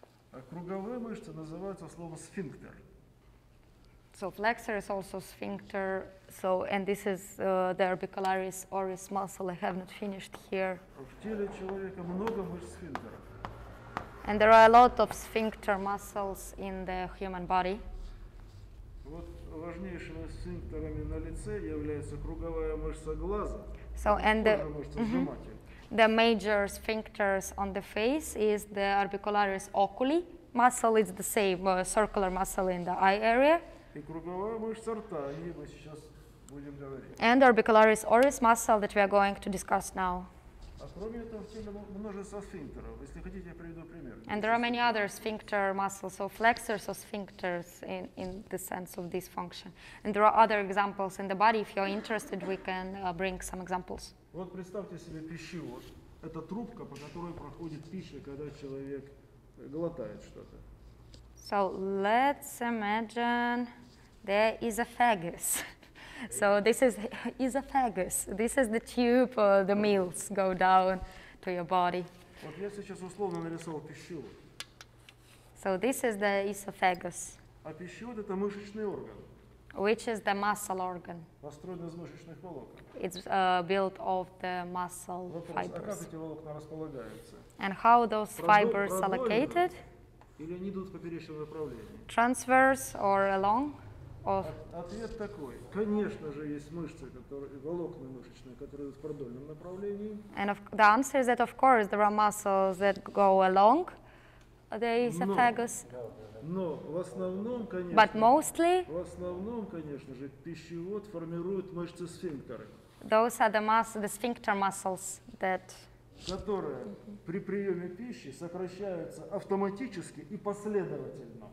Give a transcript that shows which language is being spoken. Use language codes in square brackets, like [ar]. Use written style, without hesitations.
[ru] А круговые мышцы называются словом сфинктер. [en] So flexor is also sphincter. So and this is the orbicularis oris muscle. I have not finished here. [ru] В теле человека много мышц сфинктера. [en] And there are a lot of sphincter muscles in the human body. [ru] Вот важнейшими сфинктерами на лице является круговая мышца глаза. [en] So and the The major sphincters on the face is the orbicularis oculi muscle. It's the same circular muscle in the eye area. [ru] И круговая мышца рта, о ней мы сейчас будем говорить. [en] And orbicularis oris muscle that we are going to discuss now. [ru] А кроме этого, в теле множество сфинктеров. Если хотите, я приведу пример. [en] And there are many other sphincter muscles, so flexors or sphincters in the sense of this function. And there are other examples in the body. If you're interested, we can bring some examples. [ru] Вот представьте себе пищевод. Это трубка, по которой проходит пища, когда человек глотает что-то. [en] So let's imagine there is a esophagus. So this is esophagus. This is the tube the meals go down to your body. [ru] Вот я сейчас условно нарисовал пищевод. [en] So this is the esophagus. [ru] А пищевод это мышечный орган. [en] Which is the muscle organ. [ru] Построен из мышечных волокон. [en] It's built of the muscle fibers. [ru] Вопрос, а как эти волокна располагаются? [en] And how those fibers are located? [ru] Или они идут в поперечном направлении? [en] Transverse or along? Or... [ru] Ответ такой. Конечно же, есть мышцы, которые, волокна мышечные, которые идут в продольном направлении. [en] And of, the answer is that, of course, there are muscles that go along the esophagus. [ru] Но в основном, конечно, [en] But mostly, [ru] в основном, конечно же, пищевод формирует мышцы сфинктеры. [en] Those are the muscles, the sphincter muscles that... [ru] которые при приеме пищи сокращаются автоматически и последовательно.